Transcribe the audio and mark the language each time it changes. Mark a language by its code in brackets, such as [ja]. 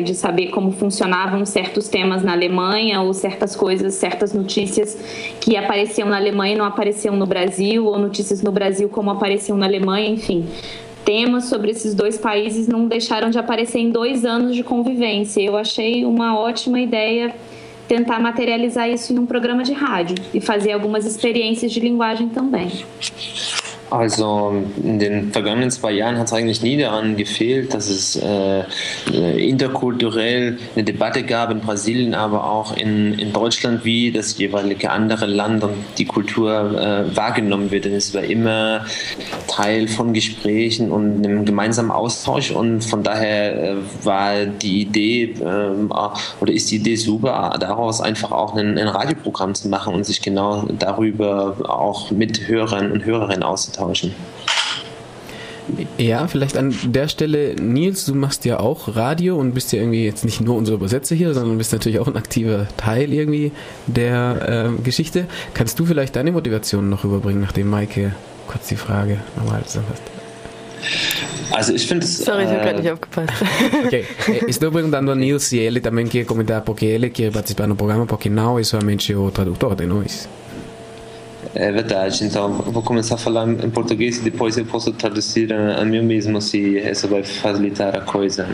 [pt] De saber como funcionavam certos temas na Alemanha ou certas coisas, certas notícias que apareciam na Alemanha e não apareciam no Brasil, ou notícias no Brasil como apareciam na Alemanha, enfim. Temas sobre esses dois países não deixaram de aparecer em 2 anos de convivência. Eu achei uma ótima ideia tentar materializar isso em um programa de rádio e fazer algumas experiências de linguagem também. [de] Also in den vergangenen 2 Jahren hat es eigentlich nie daran gefehlt, dass es interkulturell eine Debatte gab in Brasilien, aber auch in Deutschland, wie das jeweilige andere Land und die Kultur wahrgenommen wird. Denn es war immer Teil von Gesprächen und einem gemeinsamen Austausch. Und von daher war die Idee oder ist die Idee super, daraus einfach auch ein Radioprogramm zu machen und sich genau darüber auch mit Hörern und Hörerinnen auszutauschen. Ja, vielleicht an der Stelle, Nils, du machst ja auch Radio und bist ja irgendwie jetzt nicht nur unser Übersetzer hier, sondern bist natürlich auch ein aktiver Teil irgendwie der Geschichte. Kannst du vielleicht deine Motivation noch überbringen, nachdem Maike kurz die Frage nochmal zusammenfasst? Also ich finde es... Sorry, ich habe gerade nicht aufgepasst. [pt] Okay, estou perguntando a Nils se ele também quer comentar, porque ele quer participar no programa, porque não é somente o tradutor de nós. É verdade, então vou começar a falar em português e depois eu posso traduzir a mim mesmo, se isso vai facilitar a coisa.